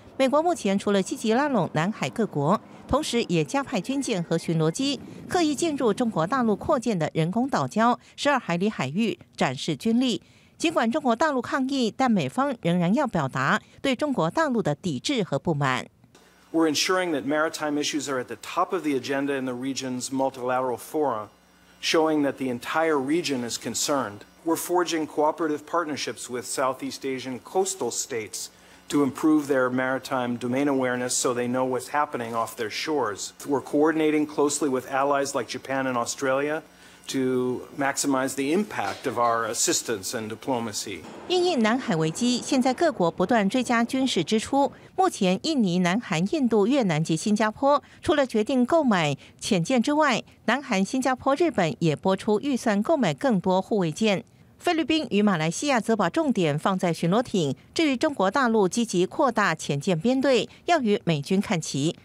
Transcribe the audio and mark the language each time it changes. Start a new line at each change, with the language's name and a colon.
Chinese: 美国目前除了积极拉拢南海各国，同时也加派军舰和巡逻机，刻意进入中国大陆扩建的人工岛礁12海里海域展示军力。尽管中国大陆抗议，但美方仍然要表达对中国大陆的抵制和不满。
English: We're ensuring that maritime issues are at the top of the agenda in the region's multilateral fora, showing that the entire region is concerned. We're forging cooperative partnerships with Southeast Asian coastal states to improve their maritime domain awareness so they know what's happening off their shores. We're coordinating closely with allies like Japan and Australia. To maximize the impact of our assistance and diplomacy.
Chinese: 因应南海危机，现在各国不断追加军事支出。目前，印尼、南韩、印度、越南及新加坡除了决定购买潜舰之外，南韩、新加坡、日本也拨出预算购买更多护卫舰。菲律宾与马来西亚则把重点放在巡逻艇。至于中国大陆积极扩大潜舰编队，要与美军看齐。